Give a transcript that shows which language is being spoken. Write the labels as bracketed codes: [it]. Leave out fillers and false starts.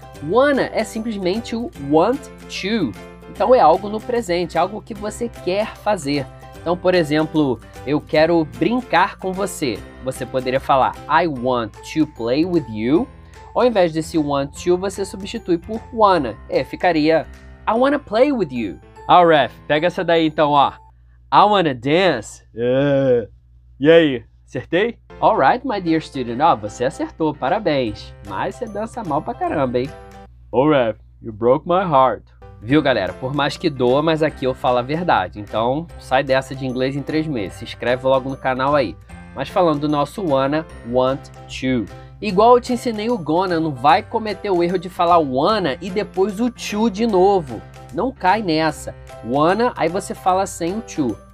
[pt] Wanna é simplesmente o [en] want to. [pt] Então é algo no presente, algo que você quer fazer. Então, por exemplo, eu quero brincar com você. Você poderia falar [en] I want to play with you. [pt] Ao invés desse [en] want to, [pt] você substitui por wanna. É, ficaria [en] I wanna play with you. [pt] Ah, Ref, pega essa daí então, ó. [en] I wanna dance. [pt] E aí, acertei? [en] Alright, my dear student. [pt] Ó, você acertou, parabéns. Mas você dança mal pra caramba, hein? [en] Oh, Ref, you broke my heart. [pt] Viu, galera? Por mais que doa, mas aqui eu falo a verdade. Então, sai dessa de inglês em 3 meses. Se inscreve logo no canal aí. Mas falando do nosso wanna, [en] want to. [pt] Igual eu te ensinei o gonna, não vai cometer o erro de falar wanna e depois o to de novo. Não cai nessa. Wanna, aí você fala sem o to.